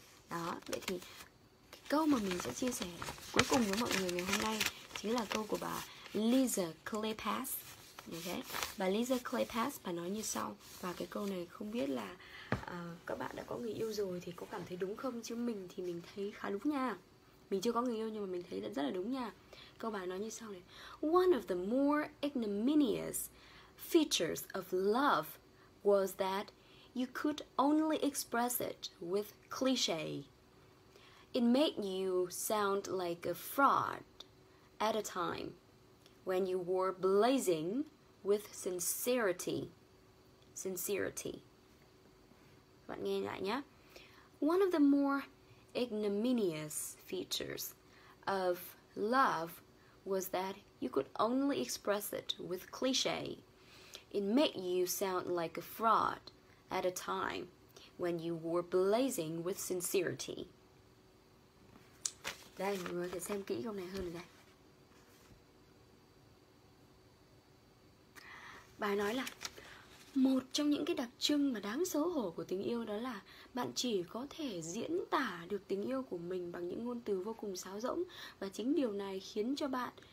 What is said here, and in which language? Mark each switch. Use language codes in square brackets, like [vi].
[vi] Đó, vậy thì cái câu mà mình sẽ chia sẻ cuối cùng với mọi người ngày hôm nay chính là câu của bà Lisa Kleypas. Ok, bà Lisa Kleypas bà nói như sau, và cái câu này không biết là các bạn đã có người yêu rồi thì có cảm thấy đúng không, chứ mình thì mình thấy khá đúng nha. Mình chưa có người yêu nhưng mà mình thấy rất là đúng nha. Câu bà nói như sau này. [en] One of the more ignominious features of love was that you could only express it with cliché. It made you sound like a fraud at a time when you were blazing with sincerity. [vi] Bạn nghe lại nhé. [en] One of the more ignominious features of love was that you could only express it with cliché. It made you sound like a fraud at a time when you were blazing with sincerity. [vi] Đây, mọi người có thể xem kỹ câu này hơn rồi đây. Bài nói là một trong những cái đặc trưng mà đáng xấu hổ của tình yêu đó là bạn chỉ có thể diễn tả được tình yêu của mình bằng những ngôn từ vô cùng sáo rỗng, và chính điều này khiến cho bạn